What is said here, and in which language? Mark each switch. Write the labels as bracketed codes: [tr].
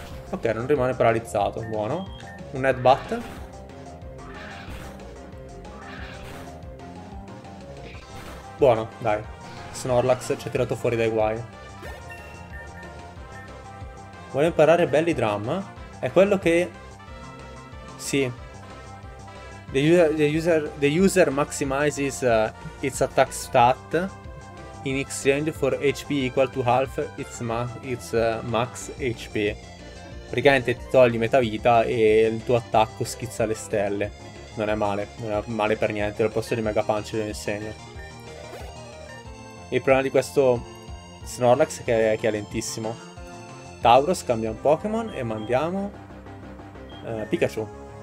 [it] Ok, non rimane paralizzato. Buono. Un Headbutt. Buono, dai. Snorlax ci ha tirato fuori dai guai. Vuole imparare Belly Drum? È quello che... Sì. [en] The user maximizes its attack stat in exchange for HP equal to half its max HP. [it] Praticamente ti togli metà vita e il tuo attacco schizza le stelle. Non è male, non è male per niente. Al posto di Mega Punch lo insegno. Il problema di questo Snorlax è che è lentissimo. Tauros, cambia un Pokémon e mandiamo Pikachu.